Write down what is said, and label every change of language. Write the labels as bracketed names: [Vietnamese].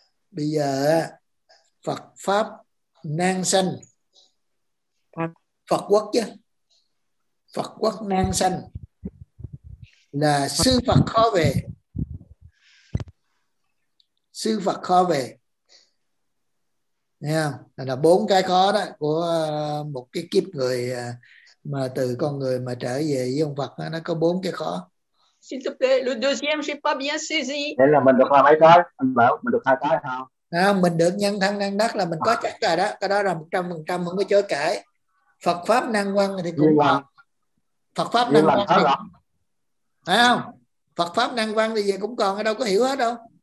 [Vietnamese] Bây giờ Phật pháp năng sanh, Phật quốc chứ, Phật quốc năng sanh là sư Phật khó về. Sư Phật khó về, nghe không? Là bốn cái khó đó của một cái kiếp người mà từ con người mà trở về với ông Phật đó, nó có bốn cái khó. [French] S'il te plaît, le deuxième, j'ai pas bien saisi. [Vietnamese] Thế là mình được hai mấy cái, anh bảo mình được hai cái không? Không, mình được nhân thân năng đắc là mình có chắc rồi đó, cái đó là 100%, không có chối cãi. Phật pháp năng văn thì cũng là Phật pháp năng văn, thấy không? Phật pháp năng văn thì giờ cũng còn, đâu có hiểu hết đâu.